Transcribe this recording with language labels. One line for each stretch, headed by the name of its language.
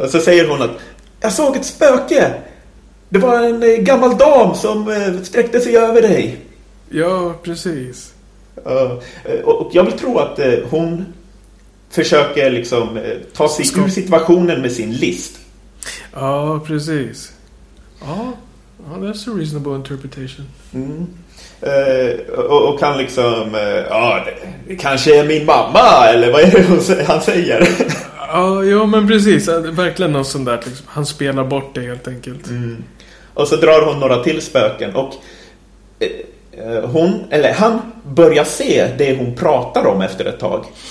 Swedish: Så säger hon att, jag såg ett spöke. Det var en gammal dam som sträckte sig över dig. Ja, precis. Och jag vill tro att hon försöker liksom ta sig ur situationen med sin list. Ja, precis.
English: Ja, well, that's a reasonable interpretation. Mm.
Swedish: Och kan liksom, ja, kanske är min mamma, eller vad är det han säger? Ja, men precis, verkligen något sånt där liksom. Han spelar bort det helt enkelt. Mm. Och så drar hon några till spöken, och hon, eller han, börjar se det hon pratar om efter ett tag.